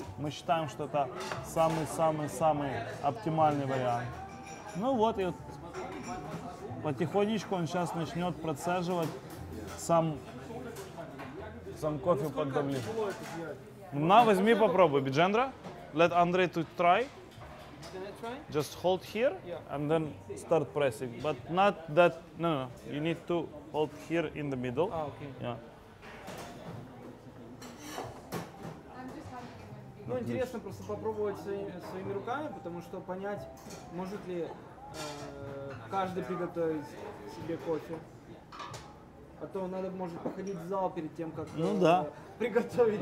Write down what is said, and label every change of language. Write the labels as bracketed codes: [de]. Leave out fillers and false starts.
[ru] Мы считаем, что это самый-самый-самый оптимальный вариант. Ну вот, и вот потихонечку он сейчас начнет процеживать сам кофе под домиком. На, возьми, попробуй, Биджендра. [en] Let Andre to try. Just hold here and then start pressing. But not that, no. You need to hold here in the middle. Okay. Yeah. [ru] Ну, интересно просто попробовать своими руками, потому что понять, может ли каждый приготовить себе кофе. А то надо, может, походить в зал перед тем, как приготовить.